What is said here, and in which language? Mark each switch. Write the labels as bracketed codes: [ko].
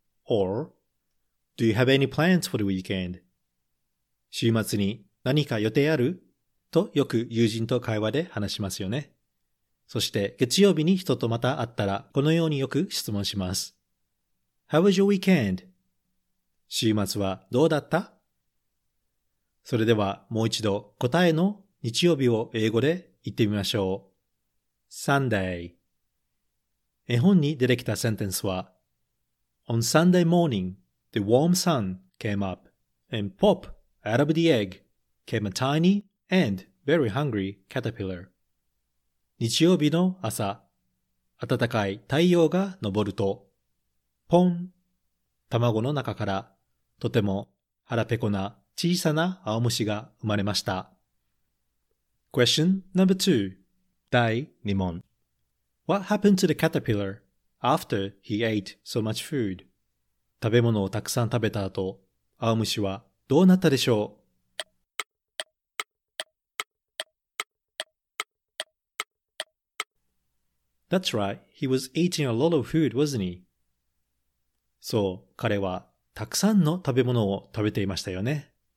[en] OrDo you have any plans for the weekend? [ja] 週末に何か予定ある? とよく友人と会話で話しますよね。そして月曜日に人とまた会ったらこのようによく質問します。 [en] How was your weekend? [ja] 週末はどうだった? それではもう一度答えの日曜日を英語で言ってみましょう。 Sunday 絵本に出てきたセンテンスは [en] On Sunday morningThe warm sun came up, and pop out of the egg came a tiny and very hungry caterpillar. [ja] 日曜日の朝、暖かい太陽が昇ると、ポン、卵の中からとても腹ペコな小さな青虫が生まれました。 [en] Question number two. [ja] 第二問。 [en] What happened to the caterpillar after he ate so much food? [ja] 食べ物をたくさん食べた後、アオムシはどうなったでしょう? [en] That's right. He was eating a lot of food, wasn't he? [ja] そう、彼はたくさんの食べ物を食べていましたよね。